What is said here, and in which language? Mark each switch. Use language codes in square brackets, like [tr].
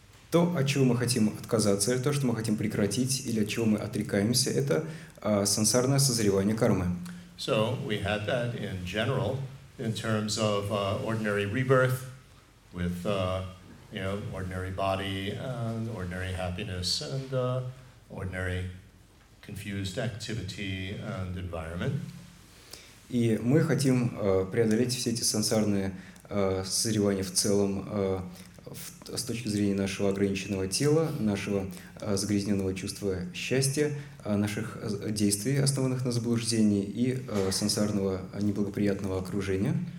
[ru] То, от чего мы хотим отказаться, или то, что мы хотим прекратить, или от чего мы отрекаемся, это сансарное созревание кармы. [en] So we had that in general, in terms of ordinary rebirth, with you know, ordinary body and ordinary happiness and ordinary confused activity and environment. [ru] И мы хотим преодолеть все эти сансарные созревания в целом с точки зрения нашего ограниченного тела, нашего загрязненного чувства счастья, наших действий, основанных на заблуждении, и сансарного неблагоприятного окружения.